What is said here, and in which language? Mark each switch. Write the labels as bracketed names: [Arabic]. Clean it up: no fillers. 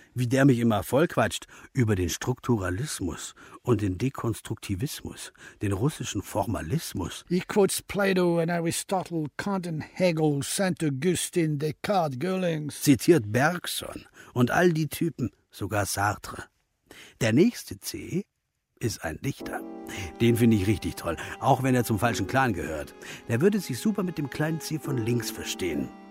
[German] Wie der mich immer vollquatscht über den Strukturalismus und den Dekonstruktivismus, den russischen Formalismus. [English] He quotes Plato and Aristotle, Kant and Hegel, Saint Augustine, Descartes, Goelings. [German] Zitiert Bergson und all die Typen, sogar Sartre. Der nächste C ist ein Dichter. Den finde ich richtig toll, auch wenn er zum falschen Clan gehört. Der würde sich super mit dem kleinen C von links verstehen.